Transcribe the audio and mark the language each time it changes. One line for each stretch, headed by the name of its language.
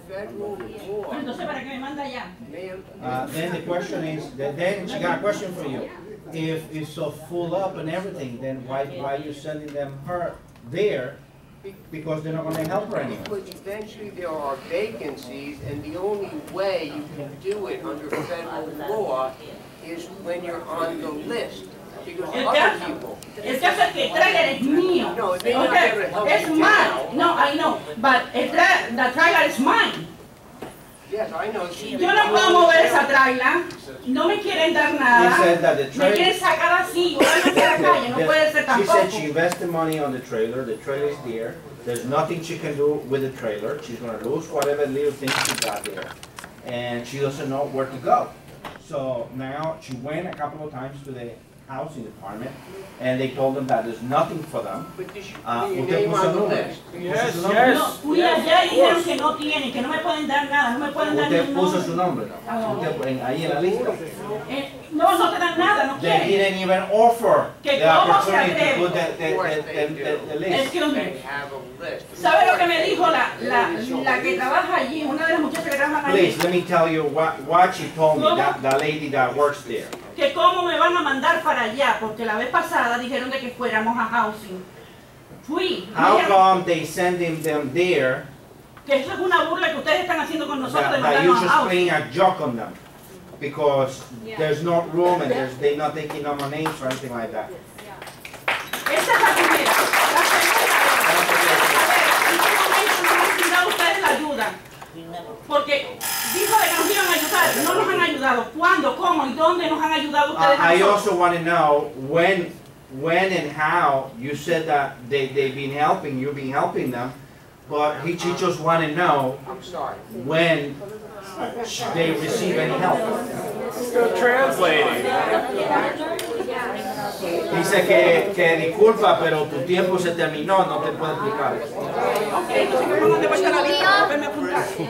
Spanish: Entonces, ¿para qué me manda allá?
English: Then the question is, then she got a question for you. If it's so full up and everything, then why are you sending them her there? Because they're not going to help her anymore. Because eventually there are vacancies, and the only way you can do it under federal law is when you're on the list. Because other people.
Spanish: El caso es que el trailer es mío.
English: No, they don't have to help you. It's mine. No, I know. But the trailer is mine. Yes, I know.
Spanish: Yo no puedo mover esa trailer. No me quieren dar nada.
English: He said that the trailer.
Spanish: Me quieren sacar así. Yo voy a meter a la calle. No puede ser tampoco.
English: She said she invested money on the trailer. The trailer is there. There's nothing she can do with the trailer. She's going to lose whatever little things she got there. And she doesn't know where to go. So now she went a couple of times to the housing department, and they told them that there's nothing for them. But did you name on the list? Yes.
Spanish: Fui allá y dijeron que no tienen, que no me pueden dar nada, no me pueden dar ningún nombre. Usted puso su nombre, ¿no? Usted pone ahí en la lista. No, no te dan nada, no quieren.
English: They didn't even offer the opportunity to put the list. Excuse me.
Spanish: ¿Sabe lo que me dijo la que trabaja allí, una de las muchachas que trabaja allí?
English: Please, let me tell you what she told me, the lady that works there.
Spanish: Que cómo me van a mandar para allá, porque la vez pasada dijeron de que fuéramos a housing. Fui.
English: How come they sending them there?
Spanish: Que eso es una burla que ustedes están haciendo con nosotros de mandarnos a housing.
English: That you're just playing a joke on them. Because there's no room and they're not taking on my name or anything like that.
Spanish: Esa es la primera. La segunda. A ver, en qué momento nos han dado ustedes la ayuda. Porque dijo de que nos iban a ayudar. No nos han ayudado. ¿Cuándo, cómo y dónde nos han ayudado ustedes?
English: I also want to know when and how you said that they've been helping, you've been helping them. But he just want to know when they receive any help. Still translating.
Spanish: Dice que disculpa, pero tu tiempo se terminó, no te puedo explicar. Ok, entonces vamos a donde va a estar la lista, venme a apuntar.